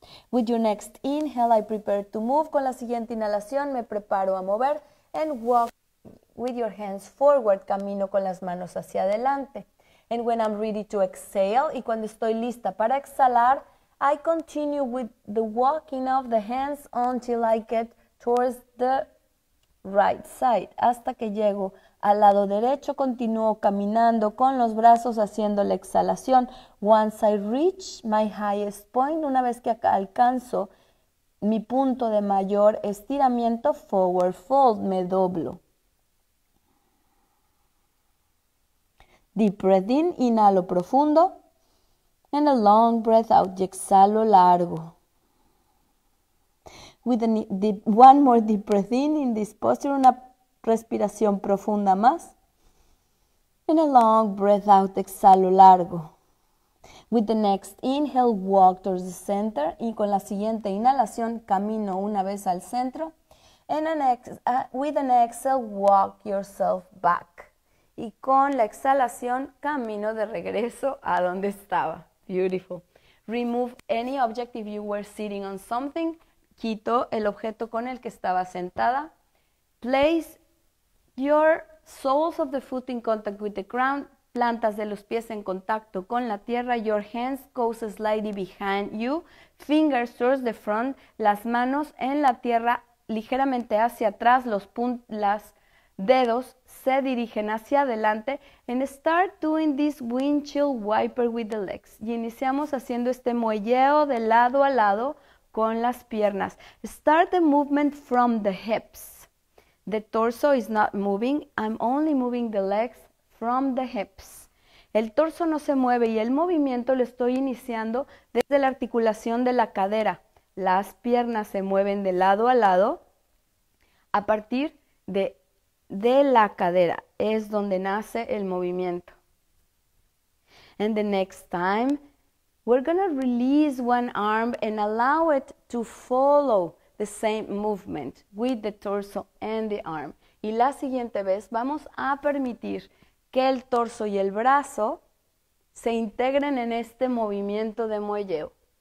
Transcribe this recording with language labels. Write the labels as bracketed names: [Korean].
[English] With your next inhale, I prepare to move. [Spanish] Con la siguiente inhalación, me preparo a mover. [English] And walk with your hands forward. [Spanish] Camino con las manos hacia adelante. [English] And when I'm ready to exhale, [Spanish] y cuando estoy lista para exhalar, [English] I continue with the walking of the hands until I get towards the right side. [Spanish] Hasta que llego al lado derecho, continúo caminando con los brazos haciendo la exhalación. [English] Once I reach my highest point, [Spanish] una vez que alcanzo mi punto de mayor estiramiento, [English] forward fold, [Spanish] me doblo. [English] Deep breath in, [Spanish] inhalo profundo. [English] And a long breath out, [Spanish] y exhalo largo. [English] With one more deep breath in this posture, [Spanish] una respiración profunda más. [English] And a long breath out, [Spanish] exhalo largo. [English] With the next inhale, walk towards the center. [Spanish] Y con la siguiente inhalación, camino una vez al centro. [English] And with an exhale, walk yourself back. [Spanish] Y con la exhalación, camino de regreso a donde estaba. [English] Beautiful. Remove any object if you were sitting on something. [Spanish] Quito el objeto con el que estaba sentada. [English] Place your soles of the foot in contact with the ground, [Spanish] plantas de los pies en contacto con la tierra, [English] your hands go slightly behind you, fingers towards the front, [Spanish] las manos en la tierra ligeramente hacia atrás, los dedos se dirigen hacia adelante, [English] and start doing this windshield wiper with the legs. [Spanish] Y iniciamos haciendo este muelleo de lado a lado con las piernas. [English] Start the movement from the hips. The torso is not moving, I'm only moving the legs from the hips. [Spanish] El torso no se mueve y el movimiento lo estoy iniciando desde la articulación de la cadera. Las piernas se mueven de lado a lado a partir de la cadera. Es donde nace el movimiento. [English] And the next time, we're gonna release one arm and allow it to follow the same movement with the torso and the arm. [Spanish] Y la siguiente vez vamos a permitir que el torso y el brazo se integren en este movimiento de muelleo.